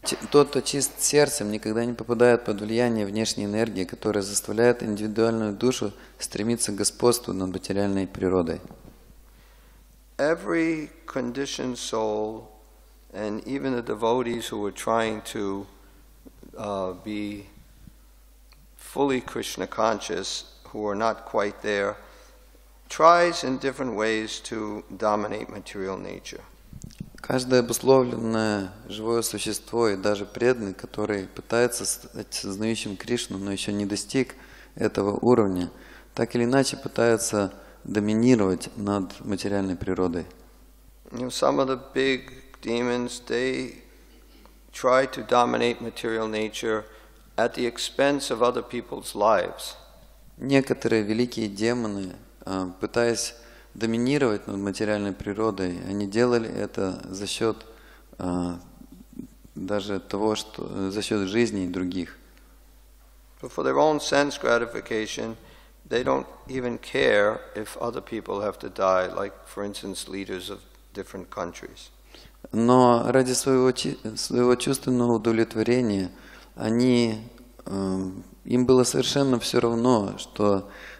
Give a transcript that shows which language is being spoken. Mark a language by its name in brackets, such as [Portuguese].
[Russian] Тот, кто чист сердцем, никогда не попадает под влияние внешней энергии, которая заставляет индивидуальную душу стремиться к господству над материальной природой. [English] Every conditioned soul and even the devotees who were trying to be fully Krishna conscious, who are not quite there, tries in different ways to dominate material nature. [Russian] Каждое обусловленное живое существо и даже преданный, который пытается стать сознающим Кришну, но еще не достиг этого уровня, так или иначе пытается доминировать над материальной природой. [English] Some of the big demons, they try to dominate material nature at the expense of other people's lives. [Russian] Некоторые великие демоны, пытаясь доминировать над материальной природой, они делали это за счет даже того, что за счет жизни других. [English] But for their own sense gratification, they don't even care if other people have to die, like, for instance, leaders of different countries. [Russian] Но ради своего чувственного удовлетворения они, им было совершенно все равно, что